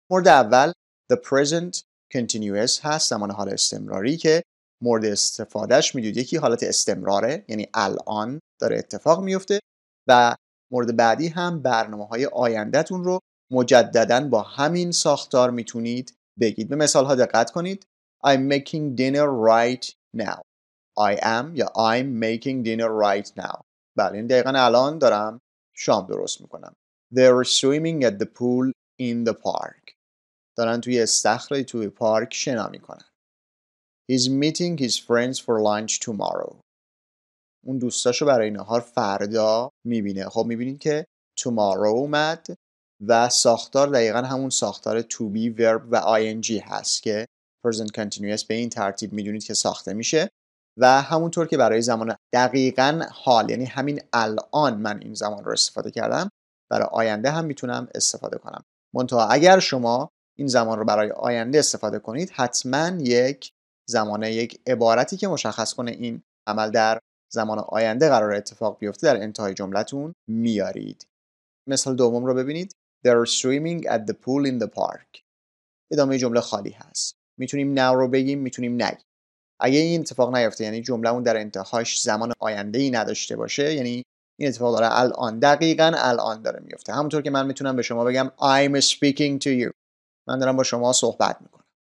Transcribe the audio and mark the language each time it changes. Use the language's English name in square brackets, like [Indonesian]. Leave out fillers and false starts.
[Persian] مورد اول the present continuous هست، زمان حال استمراری که مورد استفادهش میدونید یکی حالت استمراره، یعنی الان داره اتفاق میفته، و مورد بعدی هم برنامه های آیندهتون رو مجدداً با همین ساختار میتونید بگید. به مثال ها دقت کنید. [English] I'm making dinner right now. I am یا I'm making dinner right now. [Persian] بله، این دقیقاً الان دارم شام درست میکنم. [English] They're swimming at the pool in the park. [Persian] دارن توی استخر توی پارک شنا میکنن. [English] He's meeting his friends for lunch tomorrow. [Persian] اون دوستاشو برای نهار فردا میبینه. خب میبینید که tomorrow اومد و ساختار دقیقاً همون ساختار to be verb و ing هست که present continuous به این ترتیب میدونید که ساخته میشه. و همونطور که برای زمان دقیقاً حال، یعنی همین الان من این زمان رو استفاده کردم، برای آینده هم میتونم استفاده کنم. منتها اگر شما این زمان رو برای آینده استفاده کنید، حتما یک زمانه، یک عبارتی که مشخص کنه این عمل در زمان آینده قرار اتفاق بیفته در انتهای جملتون میارید. مثال دوم رو ببینید. [English] They're swimming at the pool in the park. [Persian] ادامه جمله خالی هست. میتونیم now رو بگیم، میتونیم نگیم. اگه این اتفاق نیفته، یعنی جمله اون در انتهاش زمان آینده ای نداشته باشه، یعنی این اتفاق داره الان، دقیقاً الان داره میفته. همونطور که من میتونم به شما بگم [English] I'm speaking to you. [Persian] من دارم با شما صحبت میکنم.